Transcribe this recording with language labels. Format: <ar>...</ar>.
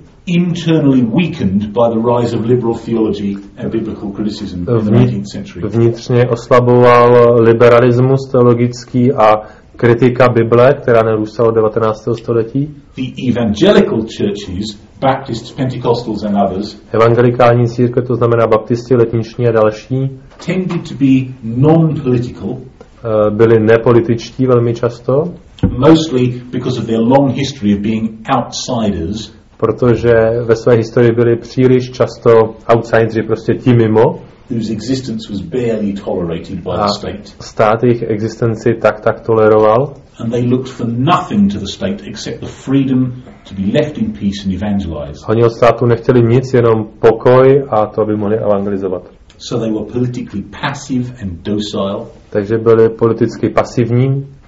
<en>Internally weakened by the rise of liberal theology and biblical criticism in the 19th century.</en> <cs>Vnitřně oslaboval liberalismus teologický a kritika Bible, která nerůstala od 19. století.</cs> <en>The evangelical churches, Baptists, Pentecostals and others,</en> <cs>evangelikální církve, to znamená baptisti, letniční a další,</cs> <en>tended to be non-political,</en> <cs>byli nepolitičtí velmi často,</cs> <en>mostly because of their long history of being outsiders,</en> <cs>protože ve své historii byli příliš často outsideri, prostě ti mimo,</cs> <en>whose existence was barely tolerated by the state.</en> <cs>Stát jejich existenci tak toleroval.</cs> <en>And they looked for nothing to the state except the freedom to be left in peace and evangelize.</en> <cs>Oni od státu nechtěli nic, jenom pokoj a to, aby mohli evangelizovat.</cs> <en>So they were politically passive and docile.</en> <cs>Takže byli politicky pasivní.</cs>